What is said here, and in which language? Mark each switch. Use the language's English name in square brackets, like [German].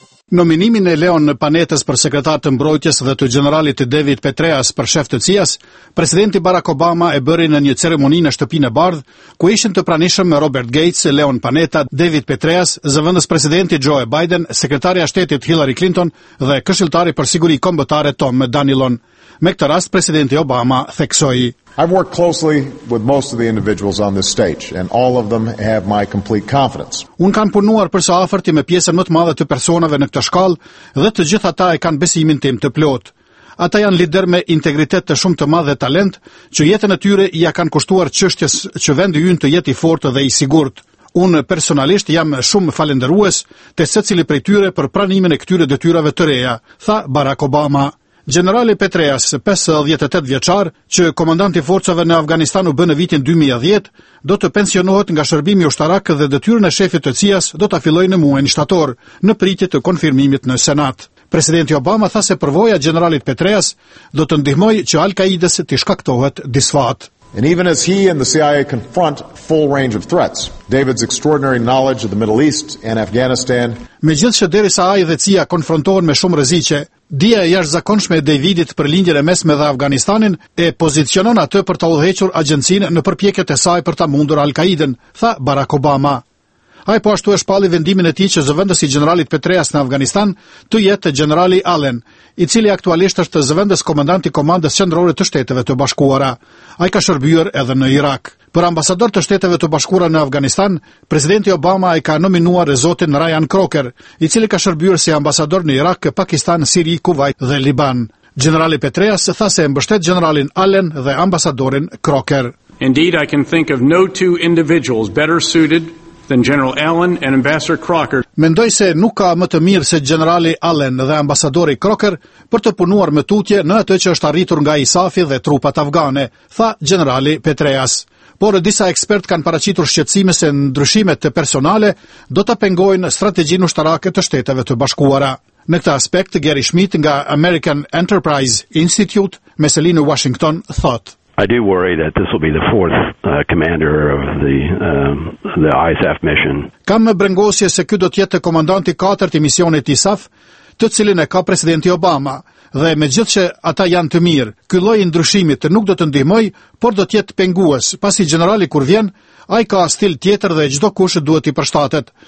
[Albanian] Nominimin e Leon Panetës për sekretar të mbrojtjes dhe të generalit David Petraeus për shef të CIA-s, presidenti Barack Obama e bëri në një ceremoni në shtëpinë e bardhë, ku ishin të pranishëm Robert Gates, Leon Panetta, David Petraeus, zëvendës presidenti Joe Biden, sekretarja shtetit Hillary Clinton dhe këshilltari për siguri kombëtare Tom Danilon. Me këtë rast, presidenti Obama theksoi: [English] I've worked closely with most of the individuals on this stage and all of them have my complete confidence. [Albanian] Un kanë punuar për së afërti me pjesën më të madhe të personave në këtë shkallë dhe të gjithë ata e kanë besimin tim të plot. Ata janë lider me integritet të shumë të madh dhe talent që jetën e tyre ja kanë kushtuar çështjes që vendi ynë të jetë i fortë dhe i sigurt. Un personalisht jam shumë falëndërues te secili prej tyre për pranimin e këtyre detyrave të reja, tha Barack Obama. Generali Petraeus, 58 vjeçar, që komandant i forcave në Afganistan u bën në vitin 2010, do të pensionohet nga shërbimi ushtarak dhe detyrën e shefit të CIA-s do ta fillojë në muajin shtator, në pritje të konfirmimit në Senat. Presidenti Obama tha se përvoja e generalit Petraeus do të ndihmojë që Al-Qaida-s të shkaktohet disfat. [English] And even as he and the CIA confront full range of threats, David's extraordinary knowledge of the Middle East and Afghanistan. [Albanian] Megjithëse derisa ai dhe CIA konfrontohen me shumë rreziqe, dija e jashtëzakonshme e Davidit për lindjen e mesme dhe Afganistanin e pozicionon atë për të udhëhequr agjencinë në përpjekjet e saj për ta mundur Al-Qaidën, tha Barack Obama. Ai po ashtu e shpalli vendimin e tij që zëvendës i generalit Petraeus në Afganistan të jetë generali Allen, i cili aktualisht është zëvendës komandant i Komandës Qendrore të Shteteve të Bashkuara. Ai ka shërbyer edhe në Irak. Për ambasador të Shteteve të Bashkuara në Afganistan, presidenti Obama ai ka nominuar zotin Ryan Crocker, i cili ka shërbyer si ambasador në Irak, Pakistan, Siri, Kuwait dhe Liban. Generali Petraeus tha se mbështet generalin Allen dhe ambasadorin Crocker. [English] Indeed, I can think of no two individuals better suited than General Allen and Ambassador Crocker. [Albanian] Mendoj se nuk ka më të mirë se generali Allen dhe ambasadori Crocker për të punuar me tutje në atë që është arritur nga ISAF-i dhe trupat afgane, tha generali Petraeus. Por disa ekspertë kanë paraqitur shqetësime se ndryshimet personale do ta pengojnë strategjinë ushtarake të Shteteve të Bashkuara. Në këtë aspekt, Gary Schmidt nga American Enterprise Institute, me selinë në Washington, thotë: [English] I do worry that this will be the fourth commander of the ISAF mission. [Albanian] Kam brengosje se ky do të jetë komandanti katërt i misionit ISAF, të cilin e ka presidenti Obama, dhe me gjithë që ata janë të mirë, ky lloj ndryshimi të nuk do të ndihmoj, por do të jetë pengues, pasi generali kur vjen, ai ka stil tjetër dhe çdo kush duhet i përshtatet.